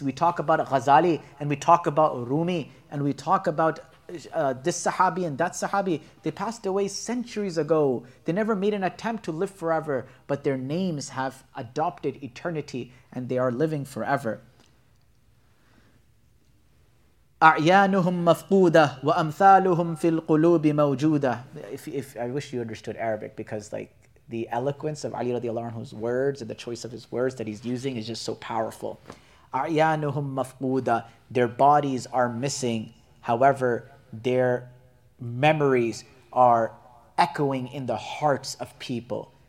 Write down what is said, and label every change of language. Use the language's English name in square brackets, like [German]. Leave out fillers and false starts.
[English] We talk about Ghazali, and we talk about Rumi, and we talk about this Sahabi and that Sahabi. They passed away centuries ago. They never made an attempt to live forever, but their names have adopted eternity, and they are living forever. [Arabic] أعيانهم مفقودة وأمثالهم في القلوب موجودة. [English] If I wish you understood Arabic, because like, the eloquence of Ali radiallahu anhu's words and the choice of his words that he's using is just so powerful. [Arabic] A'yanuhum mafquda. [English] Their bodies are missing. However, their memories are echoing in the hearts of people.